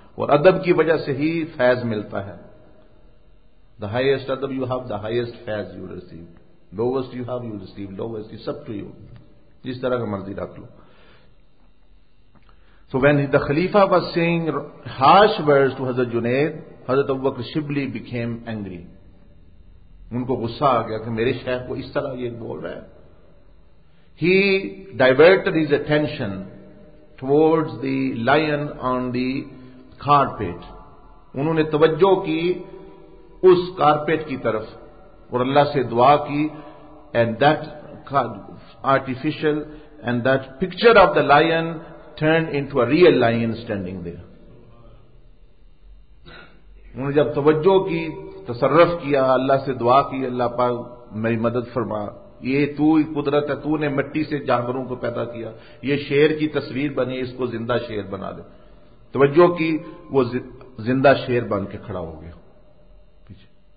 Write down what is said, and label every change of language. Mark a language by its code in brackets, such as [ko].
[ur] اور ادب کی وجہ سے ہی فیض ملتا ہے. [en] The highest ادب you have, the highest فیض you receive. Lowest you have, you receive lowest. It's up to you. [ur] جس طرح کا مرضی رکھ لو. [en] So when the Khalifa was saying harsh words to Hazrat Junaid, Hazrat Abu Bakr Shibli became angry. [ur] ان کو غصہ آ گیا کہ میرے شیخ کو اس طرح یہ بول رہا ہے. [en] He diverted his attention towards the lion on the carpet. [ur] انہوں نے توجہ کی اس کارپیٹ کی طرف اور اللہ سے دعا کی. [en] And that artificial and that picture of the lion turned into a real lion standing there. [ur] انہوں نے جب توجہ کی, تصرف کیا, اللہ سے دعا کی, اللہ پاک میری مدد فرما, یہ تو قدرت ہے, تو نے مٹی سے جانوروں کو پیدا کیا, یہ شیر کی تصویر بنی, اس کو زندہ شیر بنا دے. توجہ کی, وہ زندہ شیر بن کے کھڑا ہو گیا پیچھے.